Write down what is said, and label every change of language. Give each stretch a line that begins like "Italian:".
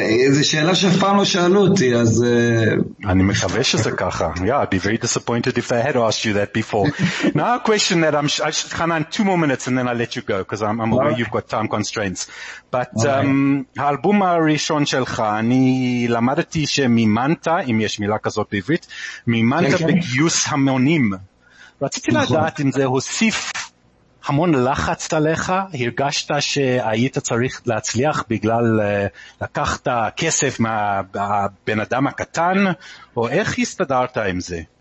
Hebrew: זה שאלה שפעם לא שאלו אותי, אז אני מקווה שזה ככה.
English: Yeah, I'd be very disappointed if they had asked you that before. Now a question that I should kind of two more minutes and then I'll let you go because I'm aware you've got time constraints.
Hebrew: But האלבום הראשון שלך, אני למדתי שמימנת, אם יש מילה כזאת בעברית, מימנת בגיוס המונים. רציתי לדעת אם זה הוסיף המון לחץ עליך, הרגשת שהיית צריך להצליח בגלל לקחת כסף מהבן אדם הקטן, או איך הסתדרת עם זה?